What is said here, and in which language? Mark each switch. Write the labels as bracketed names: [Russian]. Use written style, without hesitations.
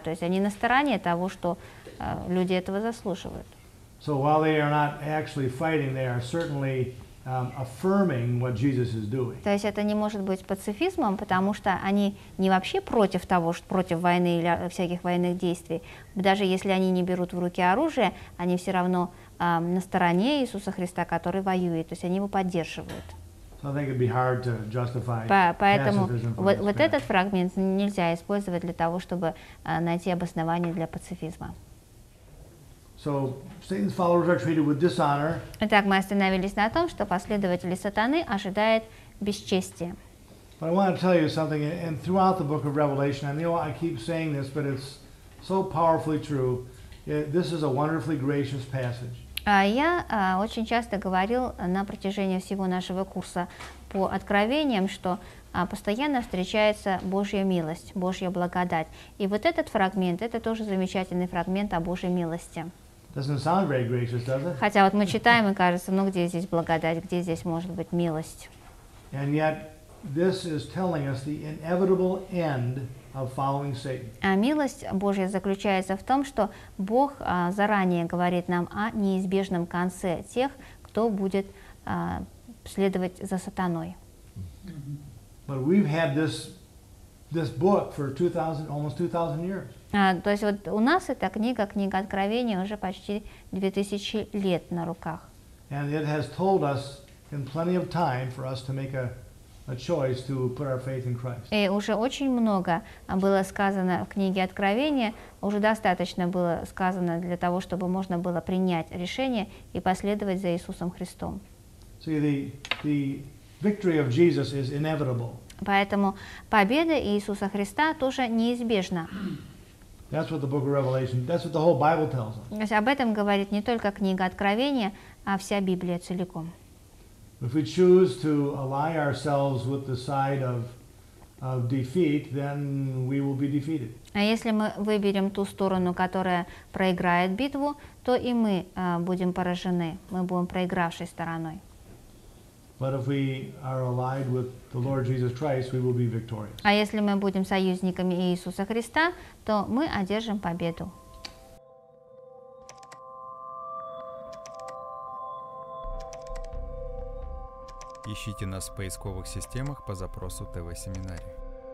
[Russian] То есть они на стороне того, что люди этого заслуживают. [English] So while they are not actually fighting, they are certainly affirming what Jesus is doing. [Russian] То есть это не может быть пацифизмом, потому что они не вообще против того, что против войны или всяких военных действий. Даже если они не берут в руки оружие, они все равно на стороне Иисуса Христа, который воюет. То есть они его поддерживают. Поэтому вот этот фрагмент нельзя использовать для того, чтобы найти обоснование для пацифизма. [English] So, Satan's followers are treated with dishonor. [Russian] Итак, мы остановились на том, что последователи сатаны ожидают бесчестия. [English] But I want to tell you something, and throughout the book of Revelation, I know I keep saying this, but it's so powerfully true. This is a wonderfully gracious passage. [Russian] Я очень часто говорил на протяжении всего нашего курса по откровениям, что постоянно встречается Божья милость, Божья благодать. И вот этот фрагмент, это тоже замечательный фрагмент о Божьей милости. [English] Doesn't sound very gracious, does it? [Russian] Хотя вот мы читаем, и кажется, ну где здесь благодать, где здесь может быть милость? [English] And yet, this is telling us the inevitable end of following Satan. [Russian] А милость Божья заключается в том, что Бог заранее говорит нам о неизбежном конце тех, кто будет следовать за сатаной. [English] But we've had this book for 2000, almost 2000 years. [Russian] То есть вот у нас эта книга, книга Откровения, уже почти 2000 лет на руках. [English] And it has told us in plenty of time for us to make a choice to put our faith in Christ. [Russian] И уже очень много было сказано в книге Откровения, уже достаточно было сказано для того, чтобы можно было принять решение и последовать за Иисусом Христом. [English] See, the victory of Jesus is inevitable. [Russian] Поэтому победа Иисуса Христа тоже неизбежна. [English] That's what the book of Revelation, that's what the whole Bible tells us. [Russian] Об этом говорит не только книга Откровения, а вся Библия целиком. [English] If we choose to ally ourselves with the side of defeat, then we will be defeated. [Russian] А если мы выберем ту сторону, которая проиграет битву, то и мы будем поражены. Мы будем проигравшей стороной. [English] But if we are allied with the Lord Jesus Christ, we will be victorious. [Russian] А если мы будем союзниками Иисуса Христа, то мы одержим победу. Ищите нас в поисковых системах по запросу ТВ-семинария.